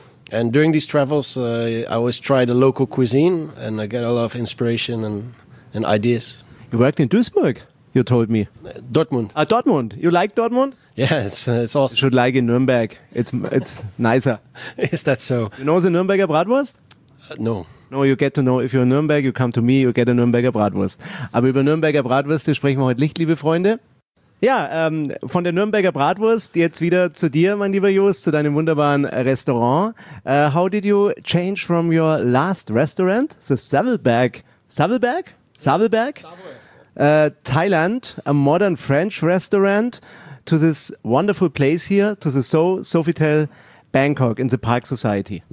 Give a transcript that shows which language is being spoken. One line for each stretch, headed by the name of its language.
English: And during these travels, I always try the local cuisine and I get a lot of inspiration and ideas. You worked in Duisburg, you told me. Dortmund. Dortmund. You like Dortmund? Yes, it's awesome. You should like in Nürnberg. It's nicer. Is that so? You know the Nürnberger Bratwurst? No. No, you get to know. If you're in Nürnberg, you come to me, you get a Nürnberger Bratwurst.
German: Aber über Nürnberger Bratwurst sprechen wir heute nicht, liebe Freunde. Ja, von der Nürnberger Bratwurst jetzt wieder zu dir, mein lieber Joost, zu deinem wunderbaren Restaurant.
English: How did you change from your last restaurant, the Savelberg, Thailand, a modern French restaurant, to this wonderful place here, to the Sofitel Bangkok in the Park Society?